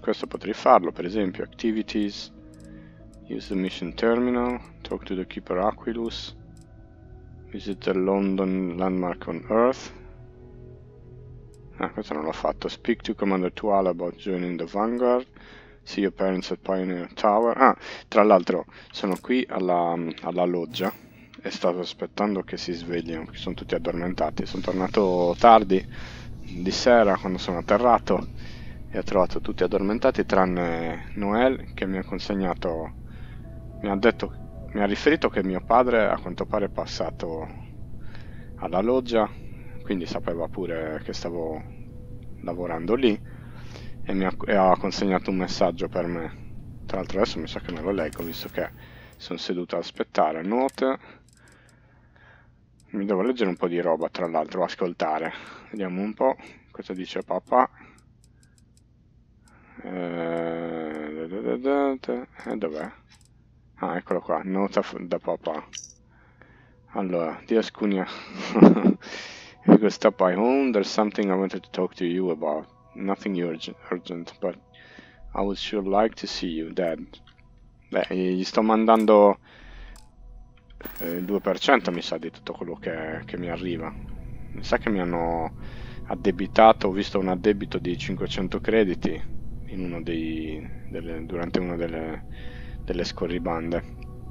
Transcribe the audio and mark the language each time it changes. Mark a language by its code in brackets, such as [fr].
[it] Questo potrei farlo, per esempio. [en] Activities, use the mission terminal, talk to the Keeper Aquilus, visit the London landmark on Earth. [it] Ah, questo non l'ho fatto. [en] Speak to Commander Tuala about joining the Vanguard, see your parents at Pioneer Tower. [it] Ah, tra l'altro, sono qui alla loggia e stavo aspettando che si svegliano, perché sono tutti addormentati. Sono tornato tardi di sera quando sono atterrato e ho trovato tutti addormentati tranne Noel, che mi ha riferito che mio padre a quanto pare è passato alla loggia, quindi sapeva pure che stavo lavorando lì e ha consegnato un messaggio per me. Tra l'altro adesso mi sa che me lo leggo, visto che sono seduto ad aspettare. Note. Mi devo leggere un po' di roba, tra l'altro, ascoltare. Vediamo un po' cosa dice papà. Dov'è? Ah, eccolo qua, nota da papà. Allora, di Ascunia. [en] If you could stop by home, there's something I wanted to talk to you about. Nothing urgent, but I would sure like to see you, Dad. [it] Beh, gli sto mandando il 2% mi sa di tutto quello che mi arriva. Mi sa che mi hanno addebitato, ho visto un addebito di 500 crediti durante una delle scorribande.